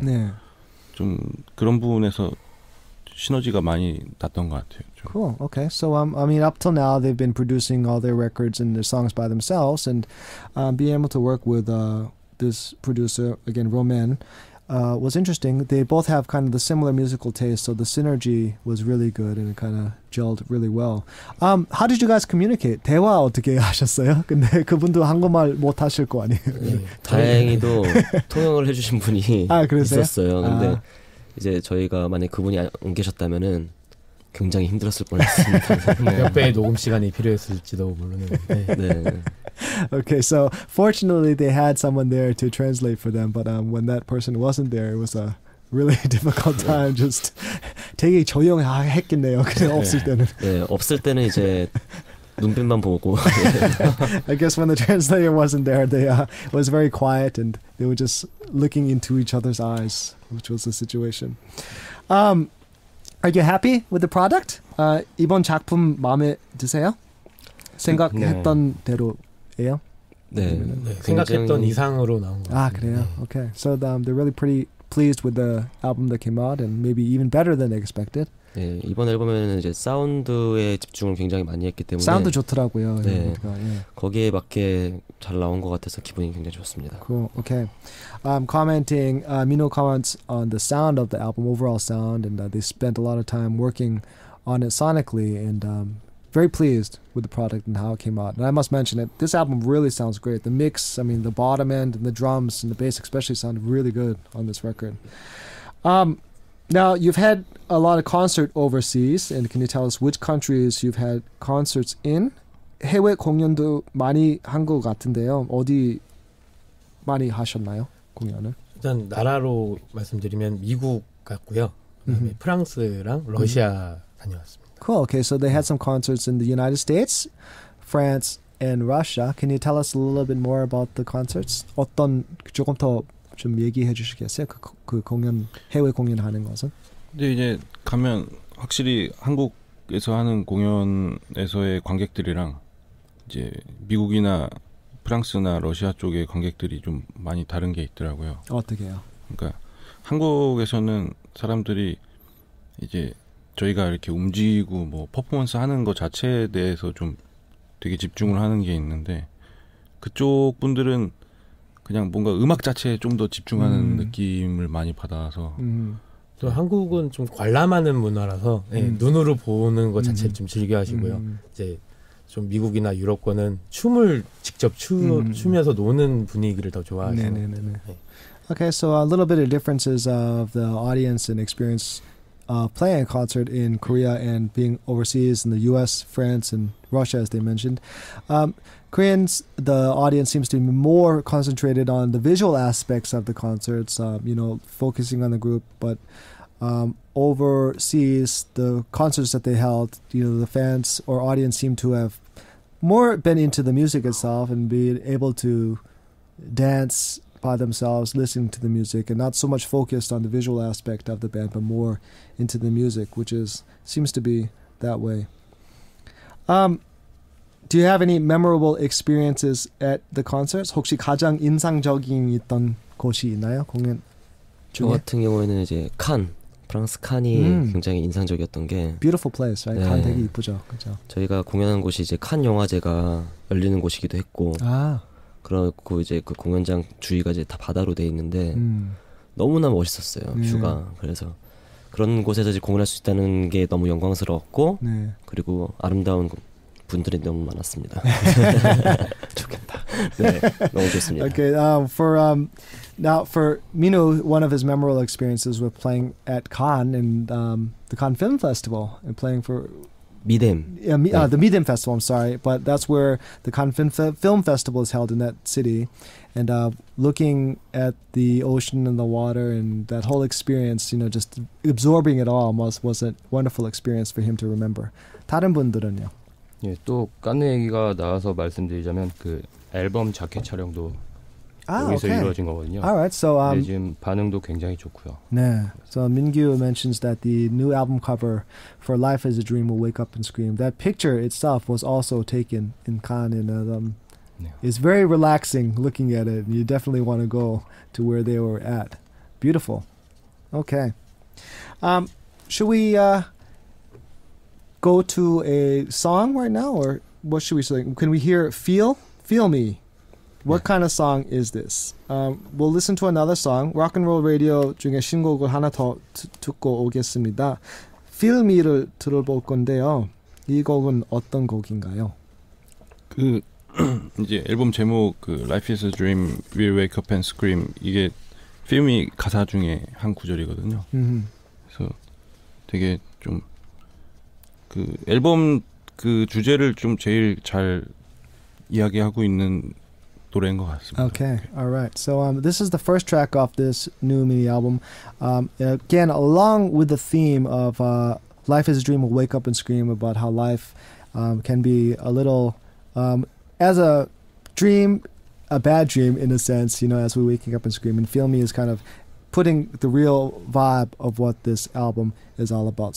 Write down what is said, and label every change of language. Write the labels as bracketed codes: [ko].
[ko] 네. 좀 그런 부분에서 시너지가 많이 났던 것 같아요. 좀. [en] Cool. Okay. So I mean up till now they've been producing all their records and their songs by themselves and being able to work with this producer again Romain was interesting. They both have kind of the similar musical taste, so the synergy was really good and it kind of gelled really well. How did you guys communicate? [ko] 대화 어떻게 하셨어요? 근데 그분도 한국말 못 하실 거 아니에요. 네, 다행히도 통역을 해주신 분이 아, 있었어요. 근데 아. 이제 저희가 만약 그분이 안 계셨다면은 굉장히 힘들었을 뻔했습니다. 몇 배의 녹음 시간이 필요했을지도 모르는데. 네. [en] Okay, so fortunately they had someone there to translate for them, but when that person wasn't there, it was a really difficult time. [ko] Just 되게 조용했겠네요. 근데 없을 때는. 네, 없을 때는 이제 눈빛만 보고. [en] I guess when the translator wasn't there, they was very quiet and they were just looking into each other's eyes, which was the situation. Are you happy with the product? [ko] 이번 작품 마음에 드세요? 생각했던 네. 대로예요? 네. 네. 생각했던 이상으로 나온 것 같아요. 아, 그래요? 네. Okay. [en] So they're really pretty pleased with the album that came out and maybe even better than they expected. [ko] 네. 이번 앨범에는 이제 사운드에 집중을 굉장히 많이 했기 때문에 사운드 좋더라고요. 네. 그러니까, 예. 거기에 맞게 잘 나온 것 같아서 기분이 굉장히 좋습니다. [en] Cool. Okay. Commenting, Mino comments on the sound of the album, overall sound, and they spent a lot of time working on it sonically and very pleased with the product and how it came out. And I must mention it, this album really sounds great. The mix, I mean, the bottom end and the drums and the bass especially sound really good on this record. Now, you've had a lot of concert overseas, and can you tell us which countries you've had concerts in? [ko] 해외 공연도 많이 한 것 같은데요. 어디 많이 하셨나요, 공연을? 일단 나라로 말씀드리면 미국 같고요. 그다음에 mm-hmm. 프랑스랑 러시아 mm-hmm. 다녀왔습니다. [en] Cool. Okay, so they had some concerts in the United States, France, and Russia. Can you tell us a little bit more about the concerts? [ko] 어떤 조금 더 좀 얘기해 주시겠어요? 그 공연 해외 공연 하는 것은? 근데 이제 가면 확실히 한국에서 하는 공연에서의 관객들이랑 이제 미국이나 프랑스나 러시아 쪽의 관객들이 좀 많이 다른 게 있더라고요. 어떻게요? 그러니까 한국에서는 사람들이 이제 저희가 이렇게 움직이고 뭐 퍼포먼스 하는 것 자체에 대해서 좀 되게 집중을 하는 게 있는데 그쪽 분들은 그냥 뭔가 음악 자체에 좀 더 집중하는 느낌을 많이 받아서 또 한국은 좀 관람하는 문화라서 네, 눈으로 보는 것 자체를 좀 즐겨 하시고요. 이제 좀 미국이나 유럽권은 춤을 직접 추면서 노는 분위기를 더 좋아하시고 네, 네, 네, 네. [en] Okay, so a little bit of differences of the audience and experience playing a concert in Korea and being overseas in the US, France, and Russia, as they mentioned. Koreans, the audience seems to be more concentrated on the visual aspects of the concerts, you know, focusing on the group. But overseas, the concerts that they held, you know, the fans or audience seem to have more been into the music itself and being able to dance by themselves, listening to the music, and not so much focused on the visual aspect of the band, but more into the music, which is seems to be that way. Do you have any memorable experiences at the concerts? [ko] 혹시 가장 인상적인 있던 곳이 있나요? 공연 중에? 저 같은 경우에는 이제 칸, 프랑스 칸이 굉장히 인상적이었던 게 [en] Beautiful place, right? [ko] 칸 네. 되게 이쁘죠, 그렇죠? 저희가 공연한 곳이 이제 칸 영화제가 열리는 곳이기도 했고 아. 그렇고 이제 그 공연장 주위가 이제 다 바다로 돼 있는데 너무나 멋있었어요, 네. 뷰가. 그래서 그런 곳에서 이제 공연할 수 있다는 게 너무 영광스러웠고 네. 그리고 아름다운 분들이 너무 많았습니다. 좋겠다. 네, 너무 좋습니다. [en] Okay, for now for Minho, one of his memorable experiences was playing at Cannes and the Cannes Film Festival and playing for [ko] 미뎀. [en] Yeah, the Mi-dem Festival. I'm sorry, but that's where the Cannes Film Festival is held in that city. And looking at the ocean and the water and that whole experience, you know, just absorbing it all was a wonderful experience for him to remember. [ko] 다른 분들은요. 예, 또 칸 얘기가 나와서 말씀드리자면 그 앨범 자켓 촬영도 여기서 [en] okay. [ko] 이루어진 거거든요. [en] All right, so [ko] 네, 지금 반응도 굉장히 좋고요. [en] 네, so Mingyu mentions that the new album cover for Life Is a Dream will wake up and scream. That picture itself was also taken in Cannes, and it's very relaxing looking at it. You definitely want to go to where they were at. Beautiful. Okay. Should we go to a song right now, or what should we sing? Can we hear Feel Me? What kind of song is this? We'll listen to another song. Rock and Roll Radio [ko] 중에 신곡을 하나 더 듣고 오겠습니다. Feel Me를 들어볼 건데요. 이 곡은 어떤 곡인가요? 그 이제 앨범 제목 그 Life is a Dream, We'll Wake Up and Scream 이게 Feel Me 가사 중에 한 구절이거든요. 그래서 되게 좀 그 앨범 그 주제를 좀 제일 잘 이야기하고 있는 노래인 것 같습니다. [en] Okay, all right. So this is the first track of this new mini album. Again, along with the theme of Life is a Dream, we'll wake up and scream about how life can be a little, as a dream, a bad dream in a sense, you know, as we're waking up and screaming. Feel Me is kind of putting the real vibe of what this album is all about.